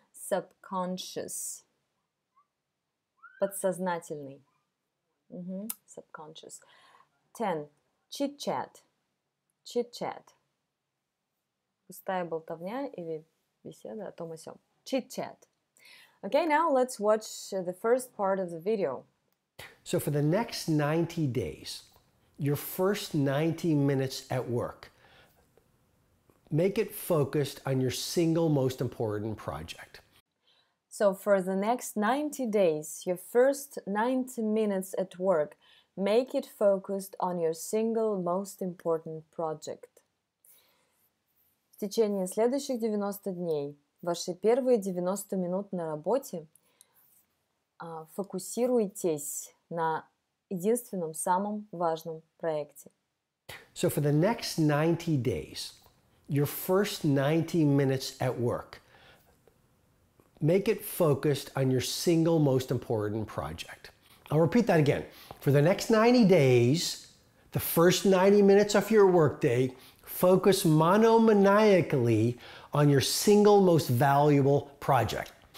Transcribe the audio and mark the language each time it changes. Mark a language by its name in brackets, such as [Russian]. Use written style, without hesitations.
[English] Subconscious. Подсознательный. Mm-hmm. Subconscious. Ten. Chit-chat. Chit-chat. [Russian] Пустая болтовня или беседа о том о сём. [English] Chit-chat. Okay, now let's watch the first part of the video. So for the next 90 days, your first 90 minutes at work, make it focused on your single most important project. So for the next 90 days, your first 90 minutes at work, make it focused on your single most important project. [Russian] В течение следующих 90 дней, ваши первые 90 минут на работе, фокусируйтесь на единственном, самом важном проекте. [English] So for the next 90 days, your first 90 minutes at work, make it focused on your single most important project. I'll repeat that again. For the next 90 days, the first 90 minutes of your workday, focus monomaniacally on your single most valuable project.